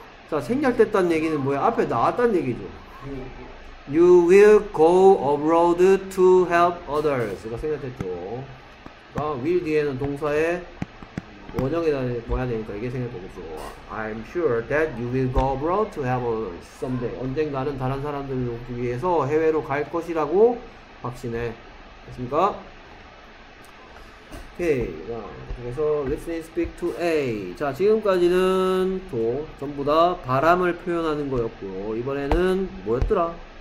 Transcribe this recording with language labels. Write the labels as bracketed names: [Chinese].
[Korean] 자, 생략됐다는 얘기는 뭐야? 앞에 나왔다는 얘기죠. [English] You will go abroad to help others. [Korean] 가 생략됐죠. 그러니까 will 뒤에는 동사의 원형에 뭐야 되니까 이게 생략되겠죠. [English] I'm sure that you will go abroad to help others someday. [Korean] 언젠가는 다른 사람들을 돕기 위해서 해외로 갈 것이라고 확신해. 됐습니까? 오케이. Okay. [English] 그래서 listen and speak to A. [Korean] 자, 지금까지는 또 전부 다 바람을 표현하는 거였고요. 이번에는 뭐였더라?